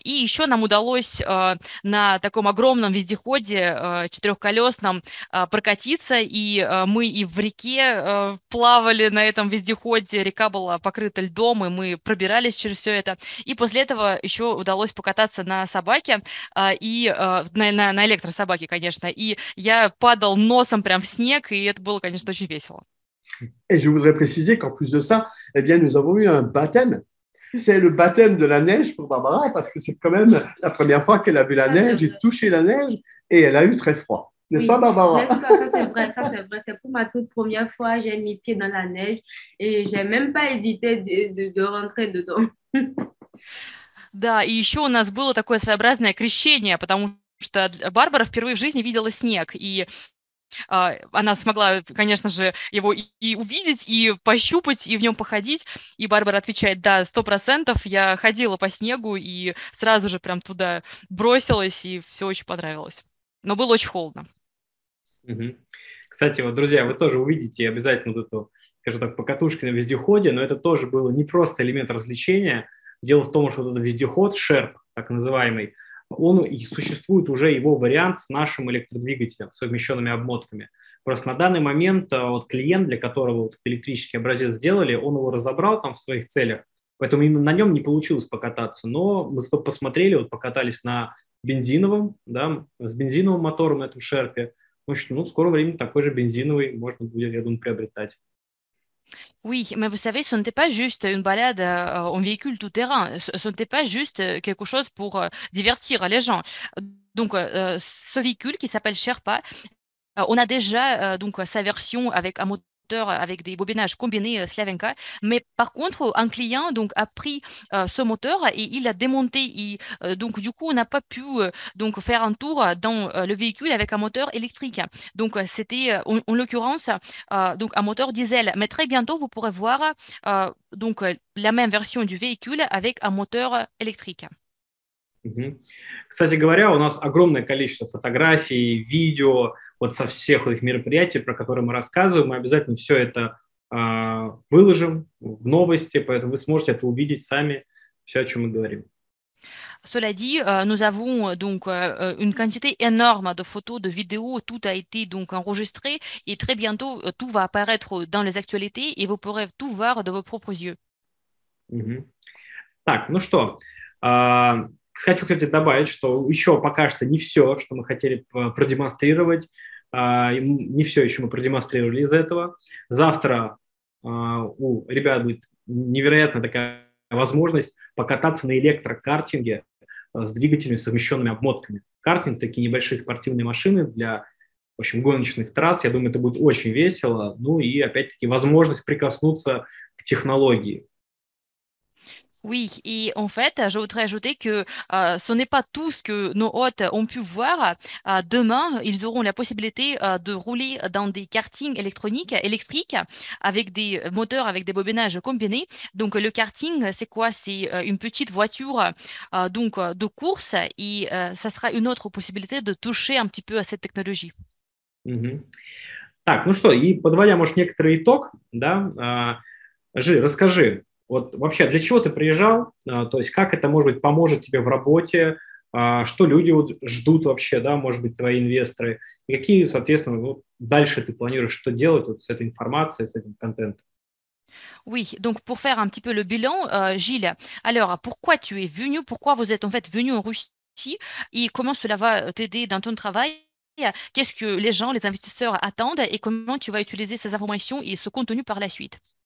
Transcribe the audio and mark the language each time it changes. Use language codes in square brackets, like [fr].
[ru] И еще нам удалось на таком огромном вездеходе четырехколесном прокатиться, и мы и в реке плавали на этом вездеходе, река была покрыта льдом, и мы пробирались через все это. И после этого еще удалось покататься на собаке, и на электрособаке, конечно, и я падал носом прям в снег, и это было, конечно, очень весело. [fr] Et je voudrais préciser qu'en plus de ça, eh bien, nous avons eu un baptême. C'est le baptême de la neige pour Barbara, parce que c'est quand même la première fois qu'elle a vu la neige, et touché la neige, et elle a eu très froid. N'est-ce pas, Barbara? N'est-ce pas, ça c'est vrai. C'est pour ma toute première fois, j'ai mis pied dans la neige, et j'ai même pas hésité de rentrer dedans. [ru] Да, и еще у нас было такое своеобразное крещение, потому что Барбара впервые в жизни видела снег, и она смогла, конечно же, его и увидеть, и пощупать, и в нем походить, и Барбара отвечает, да, 100%, я ходила по снегу, и сразу же прям туда бросилась, и все очень понравилось, но было очень холодно. Кстати, вот, друзья, вы тоже увидите обязательно вот эту, скажем так, покатушки на вездеходе, но это тоже было не просто элемент развлечения. Дело в том, что этот вездеход, Шерп, так называемый, он и существует уже его вариант с нашим электродвигателем, с совмещенными обмотками. Просто на данный момент вот клиент, для которого вот электрический образец сделали, он его разобрал там в своих целях, поэтому именно на нем не получилось покататься. Но мы зато посмотрели, вот покатались на бензиновом, да, с бензиновым мотором на этом Шерпе. В общем, ну, в скором времени такой же бензиновый можно будет, я думаю, приобретать. [fr] Oui, mais vous savez, ce n'était pas juste une balade en véhicule tout terrain. Ce n'était pas juste quelque chose pour divertir les gens. Donc, ce véhicule qui s'appelle Sherpa, on a déjà donc sa version avec un moteur avec des bobinages combinés Slavenka. Mais par contre, un client donc a pris ce moteur et il l'a démonté. Et donc, du coup, on n'a pas pu donc faire un tour dans le véhicule avec un moteur électrique. Donc, c'était en l'occurrence donc un moteur diesel. Mais très bientôt, vous pourrez voir donc la même version du véhicule avec un moteur électrique. [ru] Кстати говоря, у нас огромное количество фотографий, видео вот со всех этих мероприятий, про которые мы рассказываем. Мы обязательно все это выложим в новости, поэтому вы сможете это увидеть сами, все, о чем мы говорим. [fr] Cela dit, nous avons donc une quantité énorme de photos, de vidéos, tout a été donc enregistré et très bientôt tout va apparaître dans les actualités et vous pourrez tout voir de vos propres yeux. [ru] Так, ну что, хочу, кстати, добавить, что еще пока что не все, что мы хотели продемонстрировать, не все еще мы продемонстрировали из этого. Завтра у ребят будет невероятная такая возможность покататься на электрокартинге с двигателями, совмещенными обмотками. Картинг — такие небольшие спортивные машины для, в общем, гоночных трасс. Я думаю, это будет очень весело. Ну и, опять-таки, возможность прикоснуться к технологии. [fr] Oui, et en fait, je voudrais ajouter que ce n'est pas tout ce que nos hôtes ont pu voir. Demain, ils auront la possibilité de rouler dans des kartings électroniques, électriques, avec des moteurs, avec des bobinages combinés. Donc, le karting, c'est quoi? C'est une petite voiture donc de course, et ça sera une autre possibilité de toucher un petit peu à cette technologie. [ru] Так, ну что, и подводя, может, некоторый итог, да, Жи, расскажи, вот вообще для чего ты приезжал, то есть как это, может быть, поможет тебе в работе, что люди вот ждут вообще, да, может быть, твои инвесторы, и какие, соответственно, вот дальше ты планируешь, что делать вот с этой информацией, с этим контентом? [fr] Oui, donc pour faire un petit peu le bilan, Gilles, alors pourquoi tu es venu, pourquoi vous êtes en fait venu en Russie et comment cela va t'aider dans ton travail? Qu'est-ce que les gens, les investisseurs attendent et comment tu vas utiliser ces informations et ce contenu par la suite?